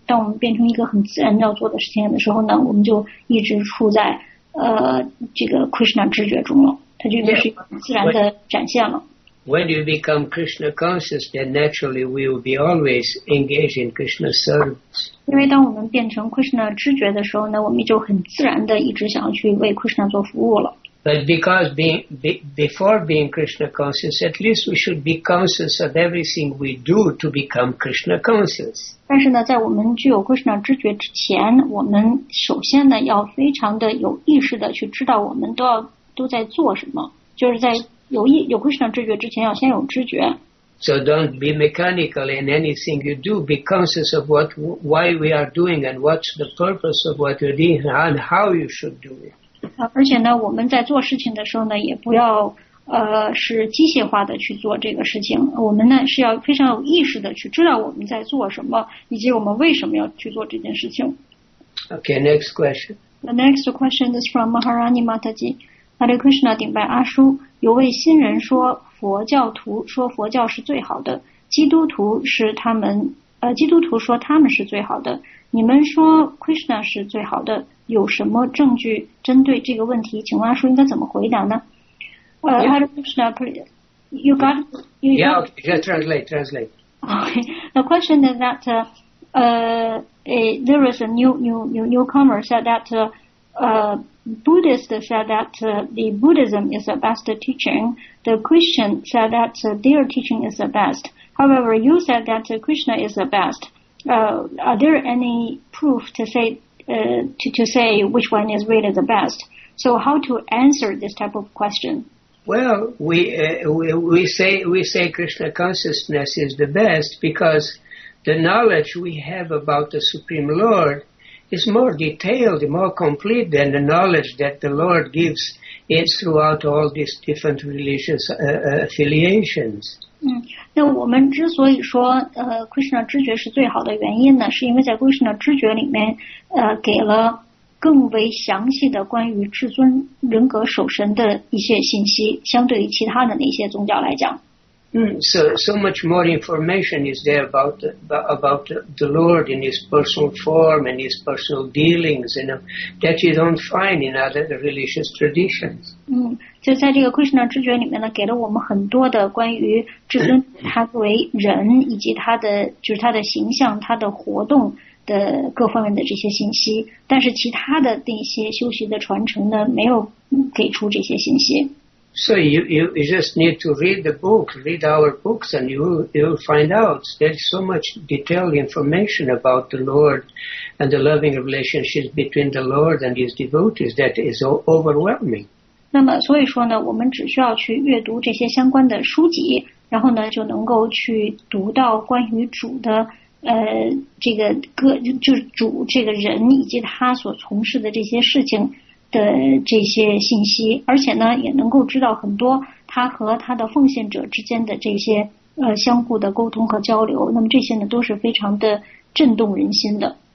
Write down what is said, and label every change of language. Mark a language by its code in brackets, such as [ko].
[zh] 当我们变成一个很自然要做的事情的时候呢，我们就一直处在这个 Krishna 知觉中了，它就变成自然的展现了。 [en] When you become Krishna conscious, then naturally we will be always engaged in Krishna service. [zh] 因为当我们变成 Krishna 知觉的时候呢，我们就很自然的一直想要去为 Krishna 做服务了。 [en] But because before being Krishna conscious, at least we should be conscious of everything we do to become Krishna conscious. [zh] 但是呢，在我们具有 Krishna 知觉之前，我们首先呢要非常的有意识的去知道我们都在做什么，就是在。有 Krishna 知觉之前要先有知觉。 [en] So don't be mechanical in anything you do. Be conscious of why we are doing and what's the purpose of what you're doing and how you should do it. [zh] 而且呢，我们在做事情的时候呢，也不要是机械化的去做这个事情。我们呢是要非常有意识的去知道我们在做什么，以及我们为什么要去做这件事情。 [en] Okay, next question. The next question is from Maharani Mataji. Hare Krishna, [zh] 顶拜阿叔。有位新人说佛教徒说佛教是最好的，基督徒说他们是最好的，你们说 Krishna 是最好的，有什么证据针对这个问题，请问阿叔应该怎么回答呢？ [en] Yeah, translate. Okay, the question is that there was a newcomer said that Buddhist said that the Buddhism is the best teaching. The Christian said that their teaching is the best. However, you said that Krishna is the best. Are there any proof to say which one is really the best? So how to answer this type of question? Well, we say Krishna consciousness is the best because the knowledge we have about the Supreme Lord is more detailed, more complete than the knowledge that the Lord gives it throughout all these different religious affiliations. [zh] 那我们之所以说Krishna 知觉是最好的原因呢，是因为在 Krishna 知觉里面给了更为详细的关于至尊人格守神的一些信息，相对于其他的那些宗教来讲。 [en] So much more information is there about the Lord in His personal form and His personal dealings, you know, that you don't find in other religious traditions. [zh] 就在这个 Krishna 知觉里面呢，给了我们很多的关于至尊他作为人以及他的就是他的形象、他的活动。的各方面的这些信息，但是其他的那些修习的传承呢，没有给出这些信息。 [en] So you just need to read the book, read our books, and you'll find out there's so much detailed information about the Lord and the loving relationships between the Lord and His devotees that is overwhelming. [zh] 那么所以说呢，我们只需要去阅读这些相关的书籍，然后呢，就能够去读到关于主的。这个各就是主这个人以及他所从事的这些事情的这些信息，而且呢也能够知道很多他和他的奉献者之间的这些相互的沟通和交流，那么这些呢都是非常的震动人心的。